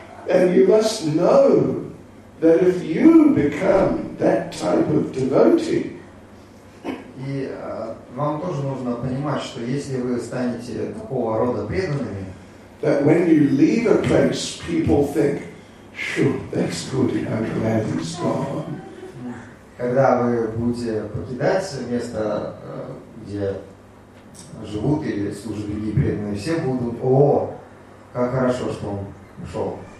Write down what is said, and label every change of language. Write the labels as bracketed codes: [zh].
[en] And you must know that if you become that type of devotee, [ru] и вам тоже нужно понимать, что если вы станете такого рода преданными, [en] that when you leave a place, people think, "Sure, that's good. I'm glad he's gone." [ru] Когда вы будете покидать место, где живут или служат другие преданные, все будут, о, как хорошо, что он ушел.